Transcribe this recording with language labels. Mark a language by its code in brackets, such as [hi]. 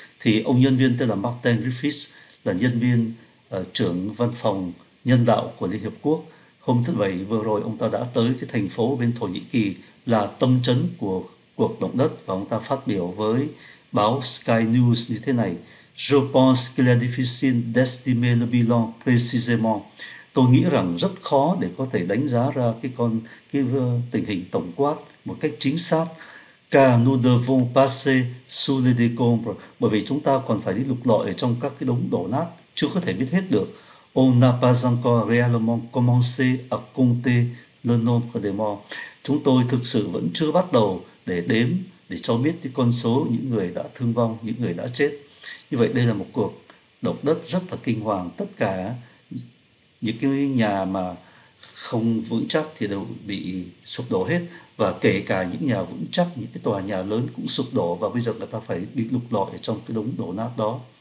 [vi] Thì ông nhân viên tên là Martin Griffiths, là nhân viên trưởng văn phòng nhân đạo của Liên Hiệp Quốc, hôm thứ Bảy vừa rồi ông ta đã tới cái thành phố bên Thổ Nhĩ Kỳ là tâm chấn của cuộc động đất, và ông ta phát biểu với báo Sky News như thế này: [fr] Je pense qu'il est difficile d'estimer le bilan précisément. [vi] Tôi nghĩ rằng rất khó để có thể đánh giá ra tình hình tổng quát một cách chính xác. [fr] Car nous devons passer sous les décombres. [vi] Bởi vì chúng ta còn phải đi lục lọi ở trong các cái đống đổ nát, chưa có thể biết hết được. [fr] On n'a pas encore réellement commencé à compter le nombre des morts. [vi] Chúng tôi thực sự vẫn chưa bắt đầu để đếm, để cho biết cái con số những người đã thương vong, những người đã chết. Như vậy đây là một cuộc động đất rất là kinh hoàng. Tất cả những cái nhà mà không vững chắc thì đều bị sụp đổ hết, và kể cả những nhà vững chắc, những cái tòa nhà lớn cũng sụp đổ, và bây giờ người ta phải đi lục lọi trong cái đống đổ nát đó.